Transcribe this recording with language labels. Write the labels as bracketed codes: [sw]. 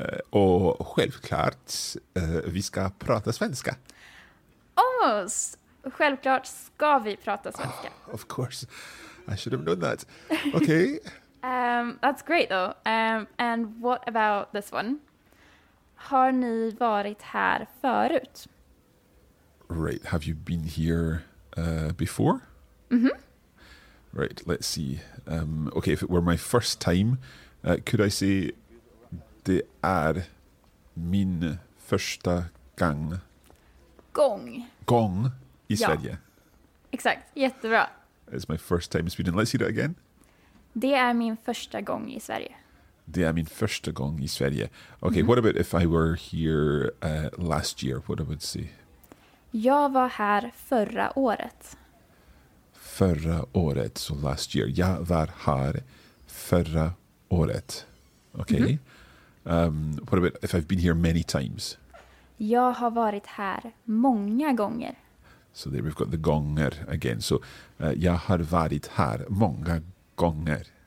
[sv] Och självklart, vi ska prata svenska. Oh, självklart ska vi prata svenska. [en] Oh, of course, I should have known that. Okay. That's great though. And what about this one? [sv] Har ni varit här förut? [en] Right, have you been here before? Mm-hmm. Right, let's see. Okay, if it were my first time, could I say [sv] det är min första gång? Gång. Gång I Sverige. Ja. Exakt, jättebra. [en] It's my first time in Sweden. Let's see that again. [sv] Det är min första gång I Sverige. Det är min första gång I Sverige. [en] Okay, mm-hmm. What about if I were here last year? What I would say? [sv] Jag var här förra året. Förra året, [en] so last year. [sv] Jag var här förra året. Okay. Mm-hmm. [en] What about if I've been here many times? [sv] Jag har varit här många gånger. [en] So there we've got the gånger again. [sv] So jag har varit här många gånger.